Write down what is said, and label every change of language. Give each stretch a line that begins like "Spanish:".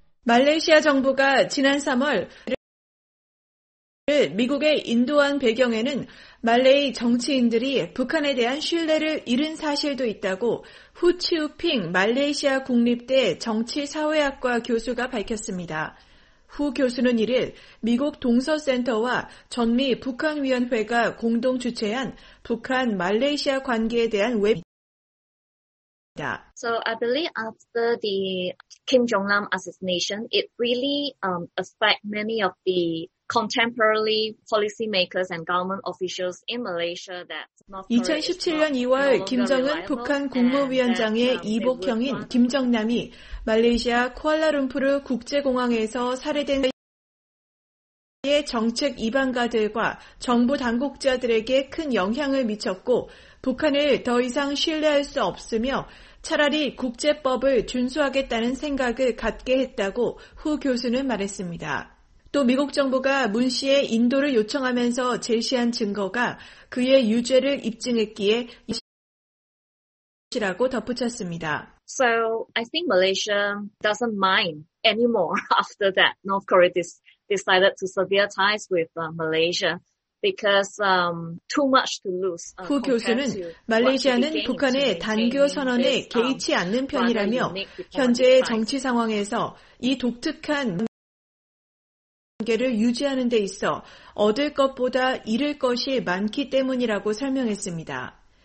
Korean: 말레이시아 정부가 지난 3월 미국에 인도한 배경에는 말레이 정치인들이 북한에 대한 신뢰를 잃은 사실도 있다고 후치우핑 말레이시아 국립대 정치사회학과 교수가 밝혔습니다. 후 교수는 이를 미국 동서센터와 전미 북한위원회가 공동 주최한 북한 말레이시아 관계에 대한 웹입니다.
English: So I believe after the Kim Jong-nam assassination, it really affect many of the contemporary policy makers and government officials in Malaysia that
Korean: 2017년 2월 김정은 북한 국무위원장의 이복형인 김정남이 말레이시아 쿠알라룸푸르 국제공항에서 살해된 의 정책 이반가들과 정부 당국자들에게 큰 영향을 미쳤고 북한을 더 이상 신뢰할 수 없으며 차라리 국제법을 준수하겠다는 생각을 갖게 했다고 후 교수는 말했습니다. 또 미국 정부가 문 씨의 인도를 요청하면서 제시한 증거가 그의 유죄를 입증했기에 이라고 덧붙였습니다.
English: So I think Malaysia doesn't mind anymore after that North Korea decided to sever ties with Malaysia because too much to lose.
Korean: 후 교수는 말레이시아는 북한의 단교 선언에 개의치 않는 편이라며 현재의 정치 상황에서 이 독특한 관계를 유지하는 데 있어 얻을 것보다 잃을 것이 많기 때문이라고 설명했습니다.